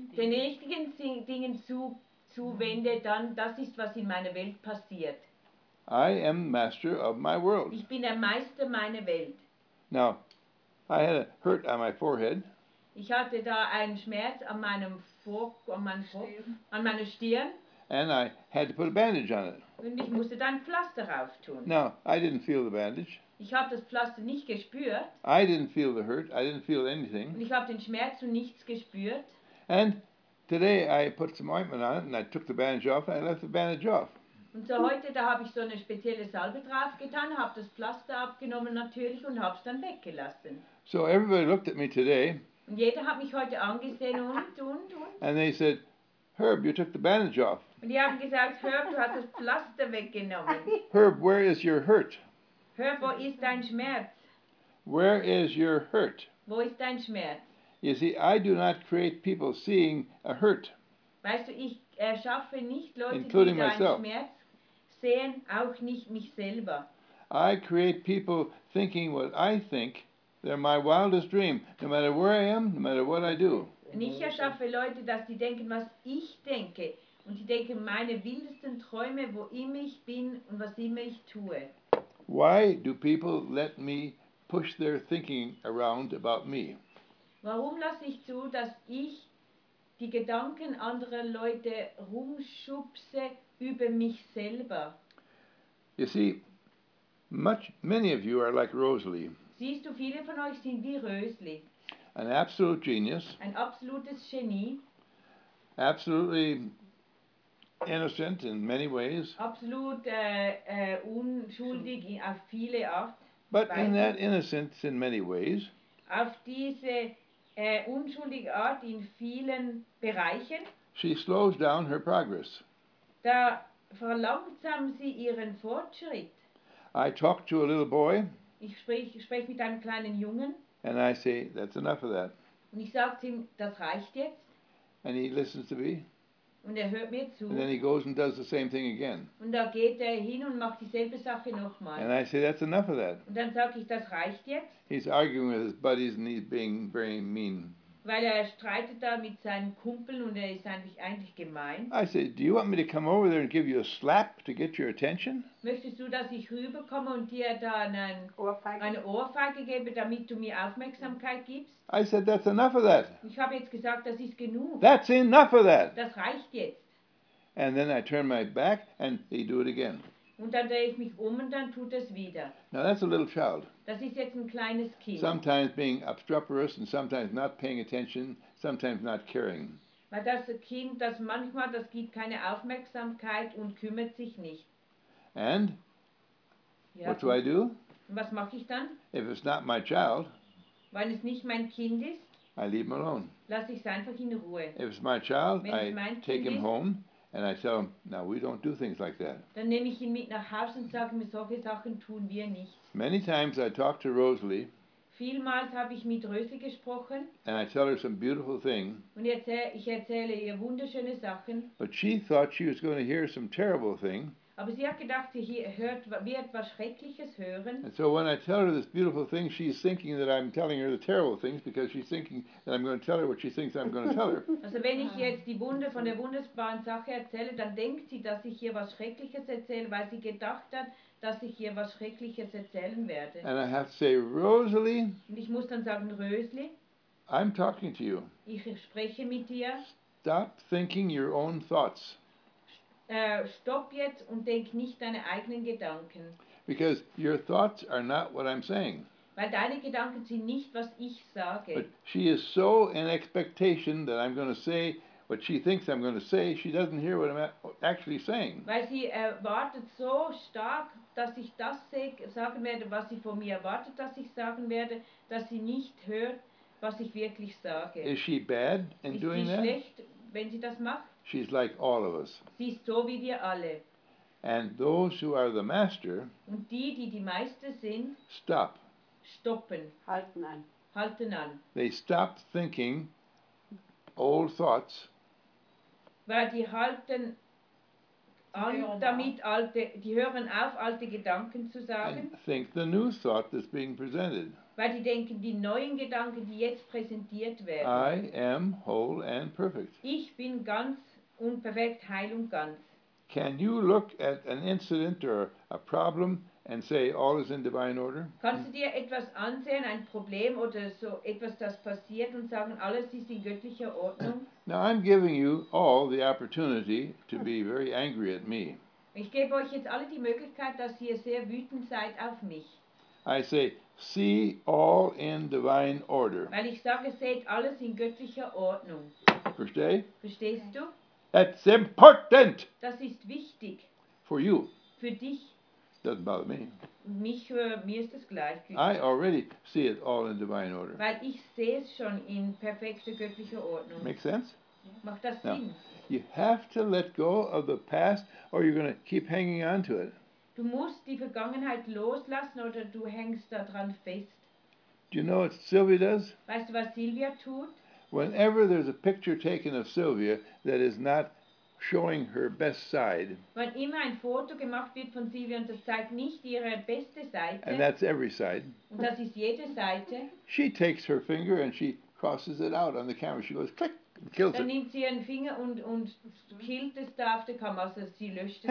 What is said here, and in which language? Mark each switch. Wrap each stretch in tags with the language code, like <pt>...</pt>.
<de>Den richtigen Dingen zuwende, dann das ist, was in meiner Welt passiert.</de> <en>I am master of my world.</en> <de>Ich bin der Meister meiner Welt.</de> <en>Now, I had a hurt on my forehead.</en> <de>Ich hatte da einen Schmerz an meinem Stirn.</de> <en>And I had to put a bandage on it.</en> <de>Und ich musste dann Pflaster drauf tun.</de> <en>No, I didn't feel the bandage.</en> <de>Ich habe das Pflaster nicht gespürt.</de> <en>I didn't feel the hurt. I didn't feel anything.</en> <de>Und ich habe den Schmerz und nichts gespürt.</de> <en>And today I put some ointment on it and I took the bandage off and I left the bandage off.</en> <de>Und so heute, da habe ich so eine spezielle Salbe drauf getan, habe das Pflaster abgenommen natürlich und habe es dann weggelassen.</de> <en>So everybody looked at me today.</en> <de>Und jeder hat mich heute angesehen und.</de> <en>And they said, Herb, you took the bandage off.</en> <de>Und die haben gesagt, Herb, du hast das Pflaster weggenommen.</de> <en>Herb, where is your hurt?</en> <de>Herb, wo ist dein Schmerz?</de> <en>Where is your hurt?</en> <de>Wo ist dein Schmerz?</de> <en>You see, I do not create people seeing a hurt.</en> <de>Weißt du, ich erschaffe nicht Leute, including die deinen Schmerz sehen, auch nicht mich selber.</de> <en>I create people thinking what I think. They're my wildest dream, no matter where I am, no matter what I do.</en> <de>Und ich erschaffe Leute, dass die denken, was ich denke. Und die denken meine wildesten Träume, wo immer ich bin und was immer ich tue.</de> <en>Why do people let me push their thinking around about me?</en> <de>Warum lasse ich zu, dass ich die Gedanken anderer Leute rumschubse über mich selber?</de> <en>You see, many of you are like Rosalie.</en> <de>Siehst du, viele von euch sind wie Rösli.</de> <en>An absolute genius.</en> <de>Ein absolutes Genie.</de> <en>Absolutely innocent in many ways.</en> <de>Absolut unschuldig auf viele Art.</de> <en>But in that innocence in many ways.</en> <de>Auf diese unschuldige Art in vielen Bereichen.</de> <en>She slows down her progress.</en> <de>Da verlangsamt sie ihren Fortschritt.</de> <en>I talk to a little boy.</en> <de>Ich sprech mit einem kleinen Jungen.</de> <en>And I say, that's enough of that.</en> <de>Und ich sag zu ihm, das reicht jetzt.</de> <en>And he listens to me.</en> <de>Und hört mir zu.</de> <en>And then he goes and does the same thing again.</en> <de>Und da geht hin und macht dieselbe Sache nochmal.</de> <en>And I say, that's enough of that.</en> <de>Und dann sag ich, das reicht jetzt.</de> <en>He's arguing with his buddies and he's being very mean.</en> <de>Weil streitet da mit seinen Kumpeln und ist eigentlich gemein.</de> <en>I say, do you want me to come over there and give you a slap to get your attention?</en> <de>Möchtest du, dass ich rüberkomme und dir da eine Ohrfeige gebe, damit du mir Aufmerksamkeit gibst?</de> <en>I said, that's enough of that.</en> <de>Ich habe jetzt gesagt, das ist genug.</de> <en>That's enough of that.</en> <de>Das reicht jetzt.</de> <en>And then I turn my back and they do it again.</en> <de>Und dann drehe ich mich und dann tut es wieder.</de> <en>Now that's a little child.</en> <de>Das ist jetzt ein kleines Kind.</de> <en>Sometimes being obstreperous and sometimes not paying attention, sometimes not caring.</en> <de>Weil das Kind, das manchmal, das gibt keine Aufmerksamkeit und kümmert sich nicht.</de> <en>And? Ja, what do I do?</en> <de>Was mache ich dann?</de> <en>If it's not my child,</en> <de>wenn es nicht mein Kind ist,</de> <en>I leave him alone.</en> <de>Lass ich es einfach in Ruhe.</de> <en>If it's my child, I take him home. And I tell him, now we don't do things like that.</en> <de>Dann nehme ich ihn mit nach Hause und sage ihm, solche Sachen tun wir nicht.</de> <en>Many times I talk to Rosalie.</en> <de>Vielmals habe ich mit Rösli gesprochen.</de> <en>And I tell her some beautiful thing.</en> <de>Und ich erzähle ihr wunderschöne Sachen.</de> <en>But she thought she was going to hear some terrible thing.</en> <de>Aber sie hat gedacht, sie wird was Schreckliches hören.</de> <en>And so when I tell her this beautiful thing, she's thinking that I'm telling her the terrible things, because she's thinking that I'm going to tell her what she thinks I'm going to tell her.</en> <de>Also wenn ich jetzt die Wunde von der wunderbaren Sache erzähle, dann denkt sie, dass ich ihr was Schreckliches erzähle, weil sie gedacht hat, dass ich ihr was Schreckliches erzählen werde.</de> <en>And I have to say, Rosalie.</en> <de>Und ich muss dann sagen, Rösli.</de> <en>I'm talking to you.</en> <de>Ich spreche mit dir.</de> <en>Stop thinking your own thoughts.</en> <de>Stopp jetzt und denk nicht deine eigenen Gedanken.</de> <en>Because your thoughts are not what I'm saying.</en> <de>Weil deine Gedanken sind nicht, was ich sage.</de> <en>But she is so in expectation that I'm going to say what she thinks I'm going to say, she doesn't hear what I'm actually saying.</en> <de>Weil sie erwartet so stark, dass ich das sagen werde, was sie von mir erwartet, dass ich sagen werde, dass sie nicht hört, was ich wirklich sage.</de> <en>Is she bad in</en> <de>ist</de> <en>doing</en> <de>sie</de> <en>that?</en> <de>Schlecht, wenn sie das macht?</de> <en>She's like all of us.</en> <de>Sie ist so wie wir alle.</de> <en>And those who are the master.</en> <de>Und die Meister sind.</de> <en>Stop.</en> <de>Stoppen. Halten an. Halten an.</de> <en>They stop thinking old thoughts.</en> <de>Weil die halten an, damit alte, die hören auf, alte Gedanken zu sagen.</de> <en>And think the new thought that's being presented.</en> <de>Weil die denken, die neuen Gedanken, die jetzt präsentiert werden.</de> <en>I am whole and perfect.</en> <de>Ich bin ganz und perfekt, heil und ganz.</de> <en>Can you look at an incident or a problem and say all is in divine order?</en> <de>Kannst du dir etwas ansehen, ein Problem oder so etwas, das passiert und sagen, alles ist in göttlicher Ordnung?</de> <en>Now I'm giving you all the opportunity to be very angry at me.</en> <de>Ich gebe euch jetzt alle die Möglichkeit, dass ihr sehr wütend seid auf mich.</de> <en>I say, see all in divine order.</en> <de>Weil ich sage, seht alles in göttlicher Ordnung. Verstehst du?</de> <en>That's important.</en> <de>Das ist wichtig.</de> <en>For you.</en> <de>Für dich.</de> <en>Doesn't bother me.</en> <de>Mir ist das gleich.</de> <en>I already see it all in divine order.</en> <de>Weil ich sehe es schon in perfekter göttlicher Ordnung.</de> <en>Make sense?</en> <de>Macht das Sinn?</de> <en>You have to let go of the past or you're going to keep hanging on to it.</en> <de>Du musst die Vergangenheit loslassen oder du hängst daran fest.</de> <en>Do you know what Sylvia does?</en> <de>Weißt du, was Sylvia tut?</de> <en>Whenever there's a picture taken of Sylvia that is not showing her best side.</en> <de>Wenn immer ein Foto gemacht wird von Sylvia und das zeigt nicht ihre beste Seite.</de> <en>And that's every side.</en> <de>Und das ist jede Seite.</de> <en>She takes her finger and she crosses it out on the camera. She goes click and kills</en> <de>dann Dann nimmt sie ihren Finger und killt es da auf der Kamera, also sie löscht es</de>